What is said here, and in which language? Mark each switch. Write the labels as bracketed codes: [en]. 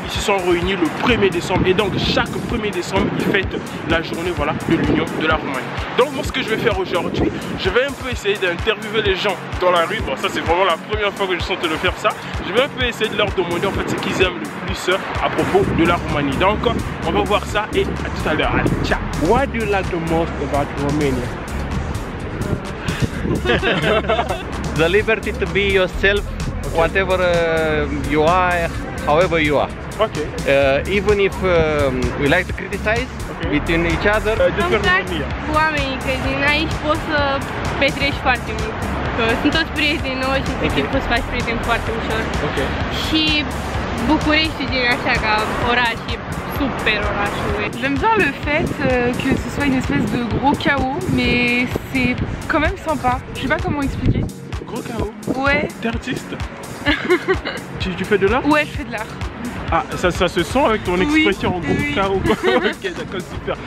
[fr] Ils se sont réunis le 1er décembre et donc chaque 1er décembre ils fêtent la journée voilà, de l'union de la Roumanie. Donc moi ce que je vais faire aujourd'hui, je vais un peu essayer d'interviewer les gens dans la rue. Bon, ça c'est vraiment la première fois que je sens de le faire ça. Je vais un peu essayer de leur demander en fait ce qu'ils aiment le plus à propos de la Roumanie. Donc on va voir ça et à tout à l'heure. Allez, ciao. [en] What do you like the most about Romania? The liberty to be yourself, okay. Whatever you are, however you are. Okay. Even if we like to criticize, okay. Between each other. [ro] Cu oamenii, că din aici poți să petreci foarte mult. Sunt toți prieteni noi și okay. Poți să faci prieteni foarte ușor. [en] Okay. [ro] Și București, din așa ca oraș, e super orașul. [fr] J'aime bien le fait que ce soit une espèce de gros chaos, mais c'est quand même sympa. Je sais pas comment expliquer. Gros chaos? Ouais. T'es artiste? tu fais de l'art? Ouais, je fais de l'art. Ah, ça se sent avec ton expression, oui, en gros ou quoi? Ok, d'accord, super.